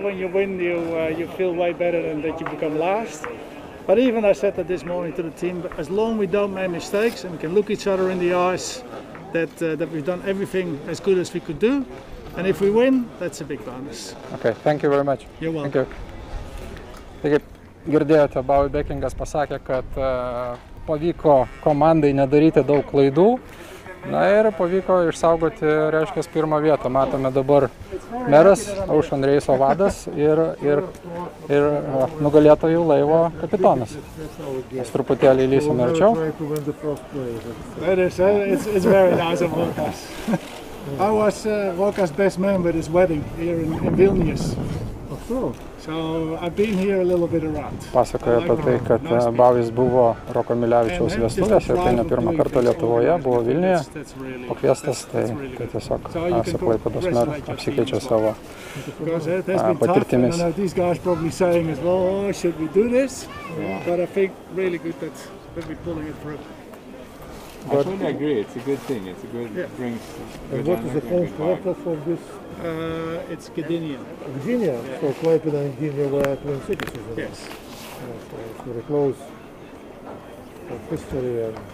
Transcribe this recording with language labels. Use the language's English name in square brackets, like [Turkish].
[English] When you win, you feel way better than that you become last. But even I said that this morning to the team, as long as we don't make mistakes and we can look each other in the eyes, that we've done everything as good as we could do. And if we win, that's a big bonus. Okay, thank you very much. You're welcome. [Lithuanian] Taigi, girdėjote, Bowie Beckingas pasakė, kad pavyko komandai nedaryti daug klaidų. Na ir pavyko išsaugoti, reiškia, pirmą vietą. Matome dabar meras, Ocean Race vadas ir nugalėtojų laivo kapitonas. Mes truputėlį įlysim arčiau. [English] It's very nice of Rokas. I was Rokas' best man at his wedding here in Vilnius. So I've been here a little bit around. [Lithuanian] Pasakojo apie tai, kad Bavis buvo Roko Miliavičiaus vestuvės ir tai ne pirmą kartą Lietuvoje, buvo Vilniuje pakviestas, tai tiesiog su Klaipėdos meru apsikeičia savo patirtimis. [English] But I totally agree, it's a good thing, it's a good drink. And what is the first water for this? It's Gdynia. Gdynia? Yeah. So Klaipėda and Gdynia were twin cities, isn't it? Yes. So it's very close of history.